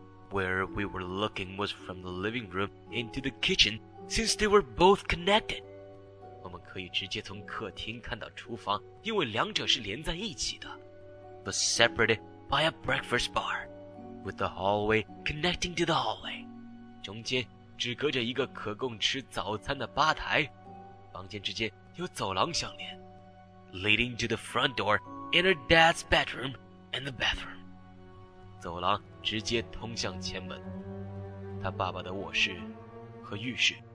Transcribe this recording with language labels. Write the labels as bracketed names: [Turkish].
[English] Where we were looking was from the living room into the kitchen, since they were both connected. [Chinese] 我们可以直接从客厅看到厨房，因为两者是连在一起的。 [English] But separated by a breakfast bar, with the hallway connecting to the hallway. [Chinese] 中间只隔着一个可供吃早餐的吧台，房间之间有走廊相连。 [English] Leading to the front door and her dad's bedroom and the bathroom. [Chinese] 走廊直接通向前门，他爸爸的卧室和浴室。